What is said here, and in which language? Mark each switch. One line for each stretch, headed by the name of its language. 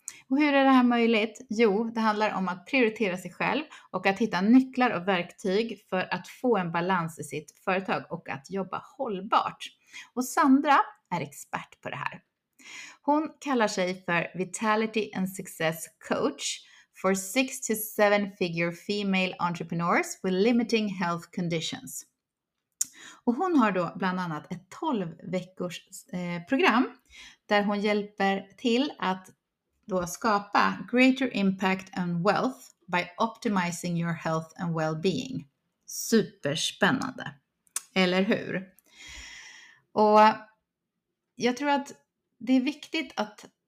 Swedish: Och hur är det här möjligt? Jo, det handlar om att prioritera sig själv. Och att hitta nycklar och verktyg för att få en balans i sitt företag. Och att jobba hållbart. Och Sandra är expert på det här. Hon kallar sig för Vitality and Success Coach.
English: For 6 to 7 figure female entrepreneurs with limiting health conditions.
Swedish: Och hon har då bland annat ett 12 veckors program där hon hjälper till att då skapa
English: greater impact and wealth by optimizing your health and well-being.
Swedish: Superspännande. Eller hur? Och jag tror att det är viktigt att